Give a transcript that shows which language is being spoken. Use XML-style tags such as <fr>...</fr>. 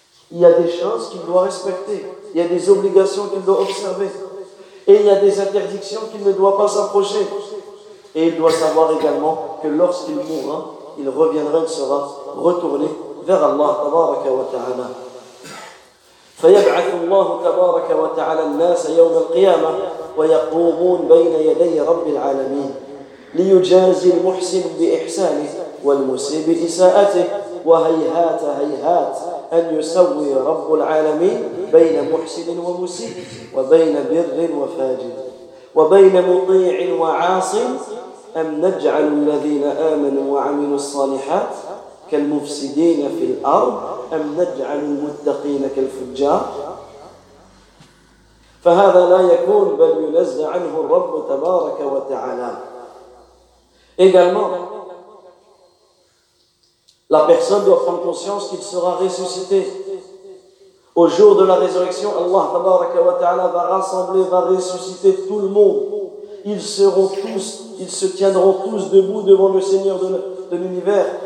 <fr>Il y a des choses qu'il doit respecter. Il y a des obligations qu'il doit observer. Et il y a des interdictions qu'il ne doit pas s'approcher. Et il doit savoir également que lorsqu'il mourra, il reviendra, il sera retourné vers Allah tabaraka wa ta'ala.</fr> <ar>فيبعث الله تبارك وتعالى الناس يوم القيامة ويقومون بين يدي رب العالمين ليجازي المحسن بإحسانه والمسيء بإساءته وهيهات هيهات أن يسوي رب العالمين بين محسن ومسيء وبين بر وفاجر وبين مطيع وعاص أم نجعل الذين آمنوا وعملوا الصالحات كالمفسدين في الأرض أم نجعل المتقين كالفجار فهذا لا يكون بل ينزع عنه الرب تبارك وتعالى.</ar> <fr>Également, la personne doit prendre conscience qu'il sera ressuscité au jour de la résurrection. Allah tabaraka wa ta'ala va ressusciter tout le monde. Ils se tiendront tous debout devant le Seigneur de l'univers.</fr>